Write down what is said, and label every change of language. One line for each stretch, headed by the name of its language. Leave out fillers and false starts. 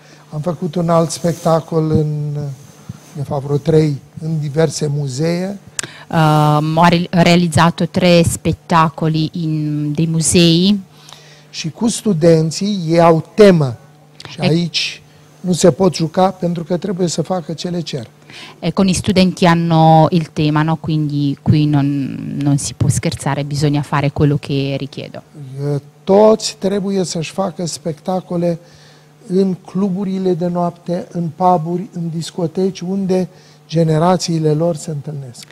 Romanian: Am făcut un alt spectacol în, de fapt, vreo trei, în diverse muzee.
Italian: Ho realizzato tre spettacoli in dei musei.
Romanian: Și cu studenții ei au temă. Și aici nu se pot juca pentru că trebuie să facă ce le cer.
Italian: E con i studenti hanno il tema, no? Quindi qui non si può scherzare, bisogna fare quello che richiedo.
Romanian: Toți trebuie să-și facă spectacole în cluburile de noapte, în puburi, în discoteci, unde generațiile lor se întâlnesc.